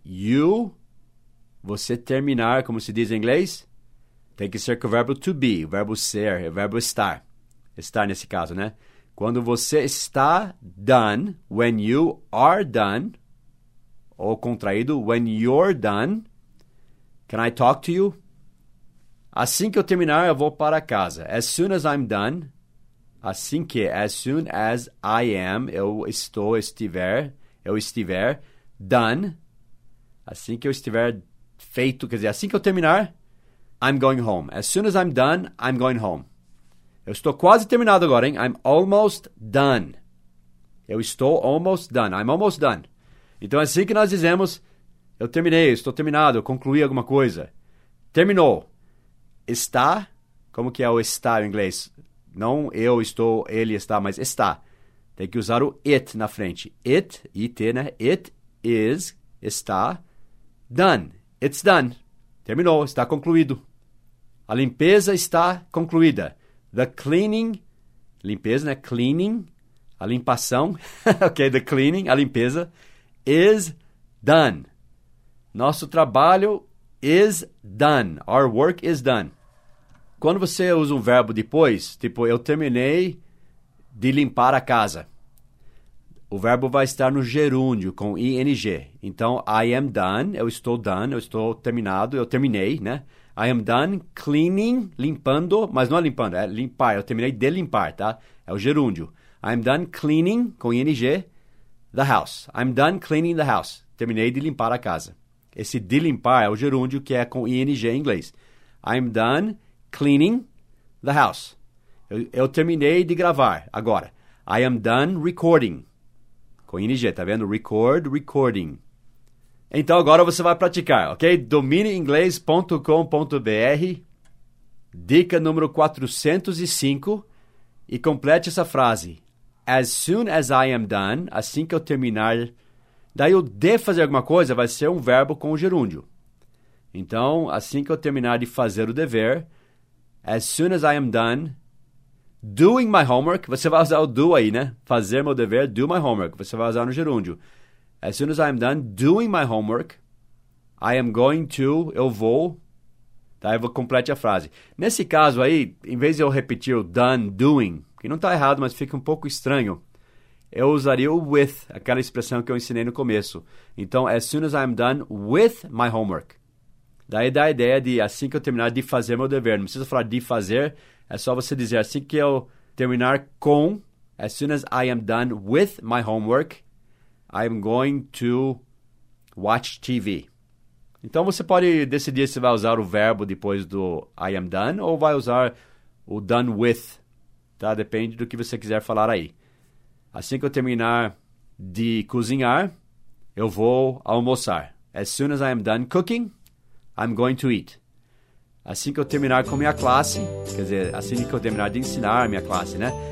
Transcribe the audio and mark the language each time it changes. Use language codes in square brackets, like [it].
[pt] You, você terminar, como se diz em inglês, tem que ser com o verbo to be, o verbo ser, o verbo estar. Estar nesse caso, né? Quando você está done, [en] when you are done, [pt] ou contraído, [en] when you're done, can I talk to you? [pt] Assim que eu terminar, eu vou para casa. [en] As soon as I'm done, [pt] assim que, [en] as soon as I am, [pt] eu estiver, done, assim que eu estiver feito, quer dizer, assim que eu terminar, [en] I'm going home. As soon as I'm done, I'm going home. [pt] Eu estou quase terminado agora, hein? [en] I'm almost done. [pt] Eu estou [en] almost done. [pt] I'm almost done. Então, assim que nós dizemos, eu terminei, estou terminado, eu concluí alguma coisa. Terminou. Está, como que é o está em inglês? Não eu estou, ele está, mas está. Tem que usar o it na frente. It, it, né? [en] It is, [pt] está, done. [en] It's done. [pt] Terminou, está concluído. A limpeza está concluída. [en] The cleaning, [pt] limpeza, né? Cleaning, a limpação. [en] Ok, the cleaning, [pt] a limpeza, [en] is done. [pt] Nosso trabalho [en] is done. Our work is done. [pt] Quando você usa um verbo depois, tipo, eu terminei de limpar a casa. O verbo vai estar no gerúndio, com ing. Então, [en] I am done, [pt] eu estou terminado, eu terminei, né? [en] I am done cleaning, [pt] limpando, mas não é limpando, é limpar. Eu terminei de limpar, tá? É o gerúndio. [en] I am done cleaning, com ing, the house. I'm done cleaning the house. [pt] Terminei de limpar a casa. Esse de limpar é o gerúndio, que é com ing em inglês. [en] I'm done cleaning the house. [pt] Eu terminei de gravar agora. [en] I am done recording. [pt] Com ing, tá vendo? Record, recording. Então agora você vai praticar, ok? DomineInglês.com.br, dica número 405, e complete essa frase. [en] As soon as I am done, [pt] assim que eu terminar, daí o de fazer alguma coisa vai ser um verbo com gerúndio. Então, assim que eu terminar de fazer o dever, [en] as soon as I am done, doing my homework, [pt] você vai usar o do aí, né? Fazer meu dever, [en] do my homework, [pt] você vai usar no gerúndio. [en] As soon as I am done doing my homework, I am going to, [pt] eu vou, tá? Eu vou complete a frase. Nesse caso aí, em vez de eu repetir o done, doing, que não está errado, mas fica um pouco estranho, eu usaria o with, aquela expressão que eu ensinei no começo. [en] Então, as soon as I am done with my homework. [pt] Daí dá a ideia de assim que eu terminar de fazer meu dever. Não precisa falar de fazer, é só você dizer assim que eu terminar com, [en] as soon as I am done with my homework, I'm going to watch TV. [pt] Então, você pode decidir se vai usar o verbo depois do I am done ou vai usar o done with. Tá? Depende do que você quiser falar aí. Assim que eu terminar de cozinhar, eu vou almoçar. [en] As soon as I am done cooking, I'm going to eat. [pt] Assim que eu terminar com minha classe, quer dizer, assim que eu terminar de ensinar a minha classe, né?